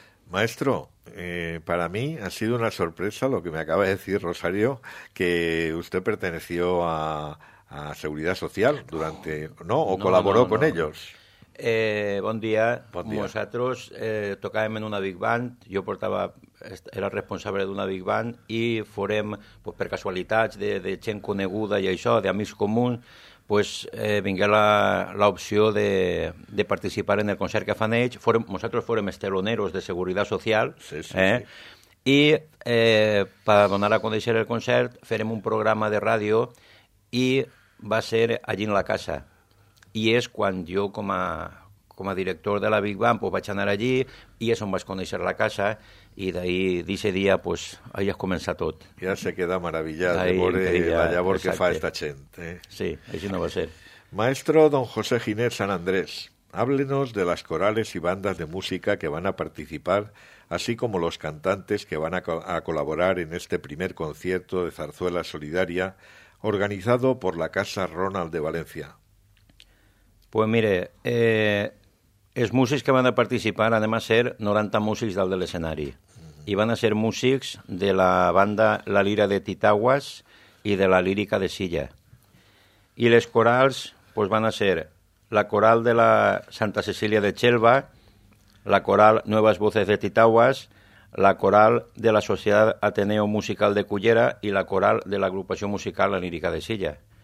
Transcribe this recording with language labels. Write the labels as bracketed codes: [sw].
[es] Maestro, para mí ha sido una sorpresa lo que me acaba de decir Rosario, que usted perteneció a Seguridad Social durante... ¿Colaboró con ellos? Buen día. Buen día. Nosotros tocábamos en una big band. Yo era responsable [ca] d'una big band i forem, pues, per casualitats de gent coneguda i això, d'amics comuns, pues, vingué l'opció de participar en el concert que fan ells. Nosaltres fórem esteloneros de Seguretat Social. Sí. Per donar a conèixer el concert, farem un programa de ràdio i va ser allí en la casa. I és quan jo, com a director de la Big Bang, pues, vaig anar allí i és on vaig conèixer la casa i d'ahí, d'ese dia, pues, ahí es comença tot. Ja se queda meravellat de veure la llavor que fa esta gent. Sí, així no va ser. [es] Maestro don José Giner San Andrés, háblenos de las corales y bandas de música que van a participar, así como los cantantes que van a colaborar en este primer concierto de Zarzuela Solidaria organizado por la Casa Ronald de Valencia. [ca] Pues mire, els músics que van a participar anem a ser 90 músics dalt de l'escenari. I van a ser músics de la banda La Lira de Titaguas i de la Lírica de Silla. I les corals, pues, van a ser la coral de la Santa Cecília de Xelva, la coral Nuevas Voces de Titaguas, la coral de la Societat Ateneo Musical de Cullera i la coral de l'agrupació musical La Lírica de Silla.